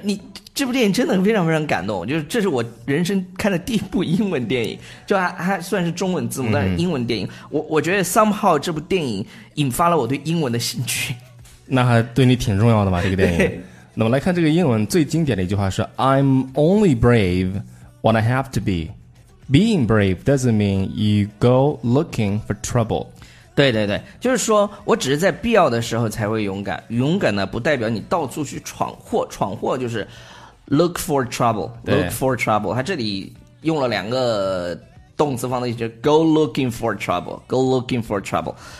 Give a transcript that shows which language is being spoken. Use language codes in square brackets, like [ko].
[zh] 你这部电影真的非常非常感动，就是这是我人生看的第一部英文电影，就还算是中文字幕，但是英文电影，我觉得 somehow 这部电影引发了我对英文的兴趣。那还对你挺重要的吧？这个电影。那么来看这个英文最经典的一句话是 ： [en] I'm only brave when I have to be. Being brave doesn't mean you go looking for trouble. [zh] 对对对，就是说我只是在必要的时候才会勇敢，勇敢呢不代表你到处去闯祸，闯祸就是 look for trouble， look for trouble， 他这里用了两个动词放在一起， [en] go looking for trouble， [zh] go looking for trouble。